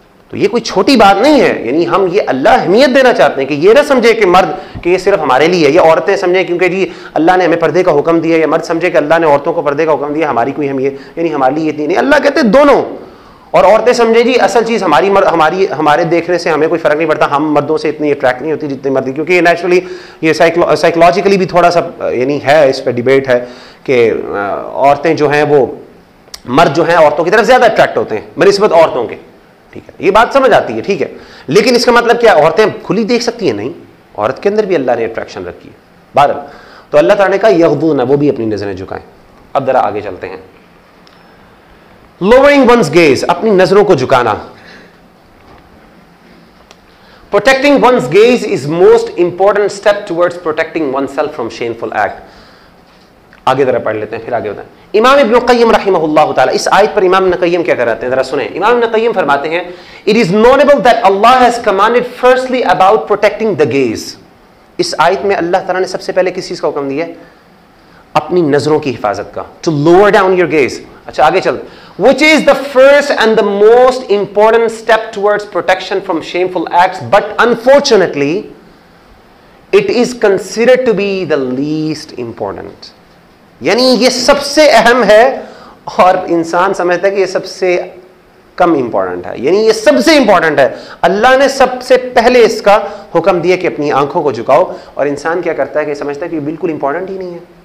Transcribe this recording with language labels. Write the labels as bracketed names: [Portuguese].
[Urdu] تو یہ کوئی چھوٹی بات نہیں ہے, یعنی ہم یہ اللہ اہمیت دینا چاہتے ہیں, کہ یہ نہ سمجھے کہ مرد کہ یہ صرف ہمارے لیے ہے, یہ عورتیں سمجھیں کیونکہ جی اللہ نے ہمیں پردے کا حکم دیا, یا مرد سمجھے کہ اللہ نے عورتوں کو پردے کا حکم دیا, ہماری کوئی اہمیت, یعنی ہمارے لیے اتنی نہیں, اللہ کہتے دونوں, اور عورتیں سمجھیں جی اصل چیز ہماری ہماری ہمارے دیکھنے سے ہمیں کوئی فرق نہیں پڑتا, ہم مردوں سے اتنی اٹریکٹ نہیں ہوتی جتنی مرد, کیونکہ یہ نیچرلی یہ سائیکولوجیکلی بھی تھوڑا سا یعنی ہے, اس پہ ڈبیٹ ہے کہ عورتیں جو ہیں وہ مرد جو ہیں عورتوں کی طرف زیادہ اٹریکٹ ہوتے ہیں بنسبت عورتوں کے, ٹھیک ہے, یہ بات سمجھ آتی ہے, ٹھیک ہے, لیکن اس کا مطلب کیا, عورتیں کھلی دیکھ سکتی ہیں, نہیں, عورت کے اندر بھی اللہ نے اٹریکشن رکھی ہے. بہرحال, تو اللہ تعالیٰ نے کہا یغضضن, وہ بھی اپنی نظریں جھکائیں. اب ذرا آگے چلتے ہیں, [English] lowering one's gaze, [Urdu] اپنی نظروں کو جھکانا, [English] protecting one's gaze is most important step towards protecting oneself from shameful act. [Urdu] آگے ذرا پڑھ لیتے ہیں, پھر آگے بتائیں. امام ابن قیم رحمہ اللہ تعالی اس آیت پر امام ابن قیم کیا کہہ رہے ہیں, ذرا سنیں. امام ابن قیم فرماتے ہیں, [English] it is notable that Allah has commanded firstly about protecting the gaze. [Urdu] اس آیت میں اللہ تعالی نے سب سے پہلے کس چیز کا حکم دیا ہے, اپنی نظروں کی حفاظت کا, [English] to lower down your gaze. [Urdu] اچھا آگے چل, [English] which is the first and the most important step towards protection from shameful acts, but unfortunately it is considered to be the least important. [Urdu] یعنی یہ سب سے اہم ہے اور انسان سمجھتا ہے کہ یہ سب سے کم امپورٹنٹ ہے, یعنی یہ سب سے امپورٹنٹ ہے, اللہ نے سب سے پہلے اس کا حکم دیا کہ اپنی آنکھوں کو جھکاؤ, اور انسان کیا کرتا ہے کہ سمجھتا ہے کہ یہ بالکل امپورٹنٹ ہی نہیں ہے.